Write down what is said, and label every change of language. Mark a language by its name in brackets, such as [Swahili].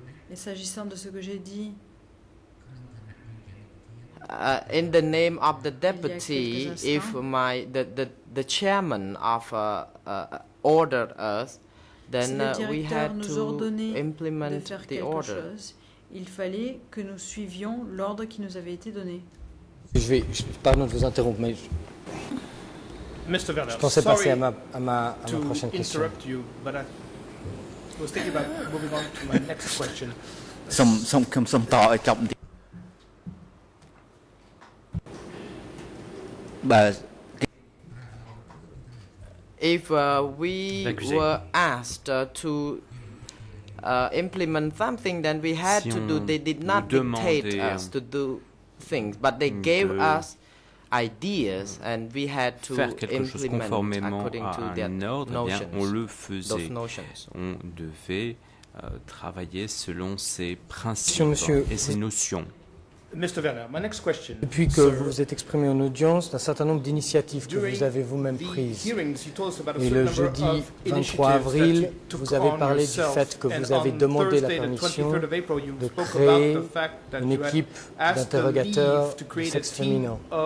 [French] Et s'agissant de ce que j'ai dit. [English] In the name of the deputy, if my the chairman of ordered us, then we had to implement the order. [French] Il fallait que nous suivions l'ordre qui nous avait été donné. Pardon de vous interrompre, mais je pensais passer à ma prochaine question. [English] Sorry to interrupt you, but I was thinking about moving on to my next question. Some talk at top. If we were asked to implement something, then we had [French] si [English] to do. They did not dictate us to do things, but they gave us ideas, and we had to implement according to their [French] ordre, [English] notions. [French] Bien, on le faisait. On devait travailler selon ces principes et ces notions. Mr. Werner, my next question. Depuis que vous vous êtes exprimé en audience, un certain nombre d'initiatives que vous avez vous-même prises. Et le jeudi 23 avril, vous avez parlé du fait que vous avez demandé la permission de créer une équipe d'interrogateurs du sexe féminin.